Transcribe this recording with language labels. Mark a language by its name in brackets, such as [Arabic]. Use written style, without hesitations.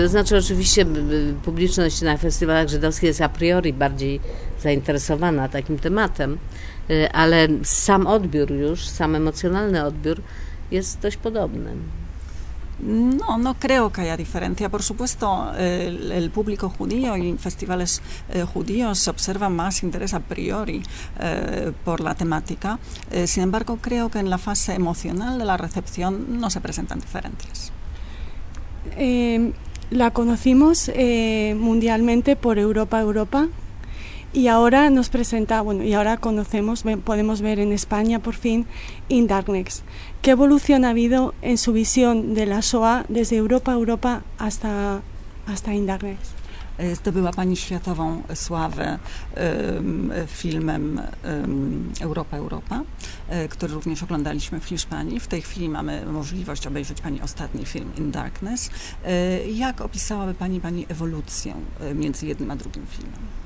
[Polish] To znaczy oczywiście publiczność na festiwalach żydowskich jest a priori bardziej zainteresowana takim tematem, ale sam odbiór już, sam emocjonalny odbiór jest dość podobny. [Spanish] No creo que haya diferencia. Por supuesto, el público judío y festivales judíos observan más interés a priori por la temática. Sin embargo, creo que en la fase emocional de la recepción no se presentan diferencias. La conocimos mundialmente por Europa, Europa, y ahora nos presenta, bueno, y ahora conocemos, podemos ver en España por fin In Darkness. ¿Qué evolución ha habido en su visión de la Shoah desde Europa, Europa hasta In Darkness? [Polish] Zdobyła Pani światową sławę filmem Europa, Europa, który również oglądaliśmy w Hiszpanii. W tej chwili mamy możliwość obejrzeć Pani ostatni film In Darkness. Jak opisałaby Pani ewolucję między jednym a drugim filmem?